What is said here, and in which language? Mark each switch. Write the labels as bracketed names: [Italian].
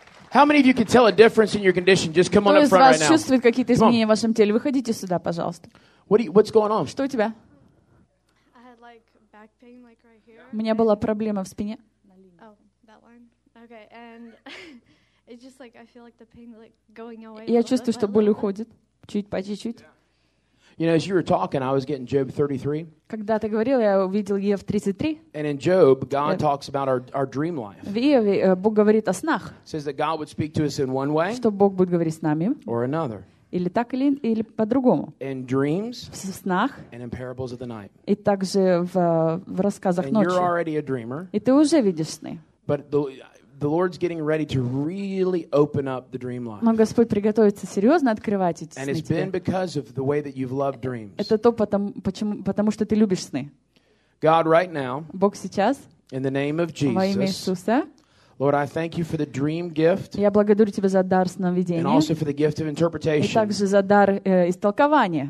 [English] How many of you can tell a difference in your condition? Just come on up front right now. [Russian] Кто из вас чувствует какие-то изменения в вашем теле? Выходите сюда, пожалуйста. [English] What's going on? [Russian] Что у тебя? [English] I had like back pain like right here. [Russian] У меня была проблема в спине. [English] Oh, that one. Okay, and it's just like I feel like the pain like going away. [Russian] Я чувствую, что боль уходит чуть по чуть-чуть. [English] You know, as you were talking, I was getting Job 33. [Russian] Когда ты говорил, я увидел Иов 33. [English] And in Job, God talks about our dream life. [Russian] В Иове Бог говорит о снах. [English] Says that God would speak to us in one way. [Russian] Что Бог будет говорить с нами. [English] Or another. [Russian] Или так, или по-другому. [English] In dreams. [Russian] В снах. [English] And in parables of the night. [Russian] И также в рассказах ночи. [English] And you're already a dreamer. [Russian] И ты уже видишь сны. [English] But the Lord's getting ready to really open up the dream life. [Russian] Но Господь приготовится серьезно открывать эти сны. [English] And it's been because of the way that you've loved dreams. [Russian] Это то потому что ты любишь сны. [English] God, right now. [Russian] Бог сейчас. [English] In the name of Jesus. [Russian] Во имя Иисуса. [English] Lord, I thank you for the dream gift. [Russian] Я благодарю тебя за дар сновидения. [English] And also for the gift of interpretation. [Russian] И также за дар истолкования.